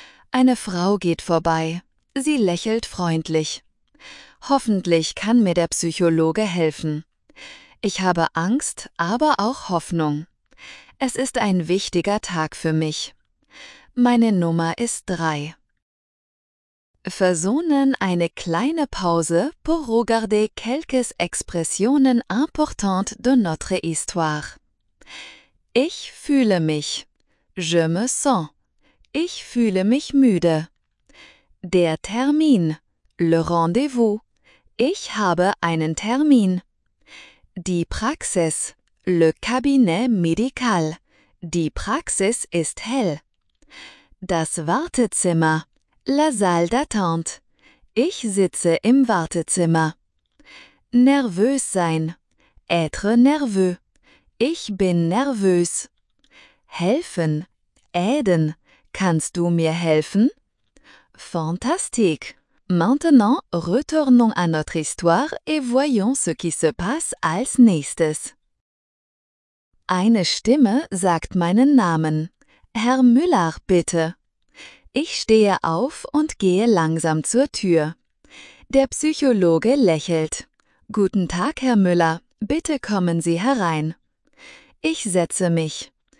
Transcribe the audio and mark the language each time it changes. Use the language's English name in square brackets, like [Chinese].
[German] Eine Frau geht vorbei. Sie lächelt freundlich. Hoffentlich kann mir der Psychologe helfen. Ich habe Angst, aber auch Hoffnung. Es ist ein wichtiger Tag für mich. Meine Nummer ist 3. [French] Faisons [German] eine kleine [French] Pause pour regarder quelques expressions importantes de notre histoire. [German] Ich fühle mich. [French] Je me sens. [German] Ich fühle mich müde. Der Termin. [French] Le rendez-vous. [German] Ich habe einen Termin. Die Praxis. [French] Le cabinet médical. [German] Die Praxis ist hell. Das Wartezimmer. [French] La salle d'attente. [German] Ich sitze im Wartezimmer. Nervös sein. [French] Être nerveux. [German] Ich bin nervös. Helfen. Aiden. Kannst du mir helfen? [French] Fantastique. Maintenant, retournons à notre histoire et voyons ce qui se passe [German] als nächstes. Eine Stimme sagt meinen Namen. Herr Müller, bitte. Ich stehe auf und gehe langsam zur Tür. Der Psychologe lächelt. Guten Tag, Herr Müller. Bitte kommen Sie herein. Ich setze mich.